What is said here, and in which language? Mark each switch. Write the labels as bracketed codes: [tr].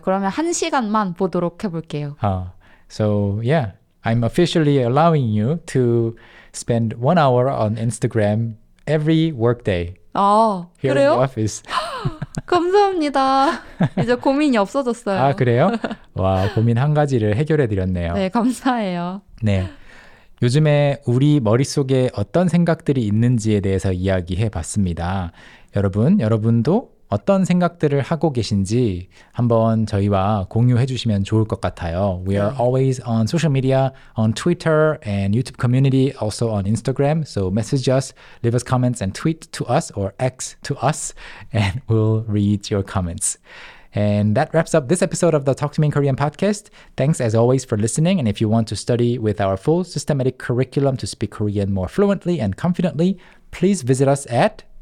[ko] 그러면 한 시간만 보도록 해볼게요. [en] So, yeah, I'm officially allowing you to spend 1 hour on Instagram every workday. [ko] 그래요? [en] Here in the office. [ko] 감사합니다. 이제 고민이 없어졌어요. 아, 그래요? 와, 고민 한 가지를 해결해드렸네요. 네, 감사해요. 네. 요즘에 우리 머릿속에 어떤 생각들이 있는지에 대해서 이야기해봤습니다. 여러분, 여러분도 어떤 생각들을 하고 계신지 한번 저희와 공유해 주시면 좋을 것 같아요. [en] We are always on social media, on Twitter and YouTube community, also on Instagram. So message us, leave us comments and tweet to us or X to us and we'll read your comments. And that wraps up this episode of the Talk to Me in Korean podcast. Thanks as always for listening. And if you want to study with our full systematic curriculum to speak Korean more fluently and confidently, please visit us at